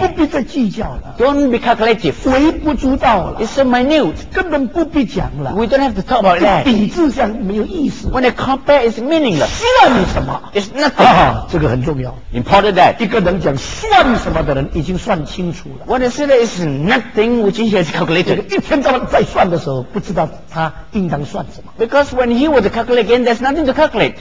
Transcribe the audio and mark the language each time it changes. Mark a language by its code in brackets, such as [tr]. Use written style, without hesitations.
[zh] 不必再计较了。 [en] Don't be calculative. [zh] 微不足道了。 [en] It's so minute. [zh] 根本不必讲了。 [en] We don't have to talk about that. [zh] 比字上没有意思。 [en] When I compare, it's meaningless. [zh] 算什么 [en] ？It's nothing. [zh] 这个很重要。 [en] Important that. [zh] 一个能讲算什么的人已经算清楚了。 [en] When I say that is nothing, which he has calculated. [zh] 一天到晚在算的时候，不知道他应当算什么。 [en] Because when he was calculating again, there's nothing to calculate.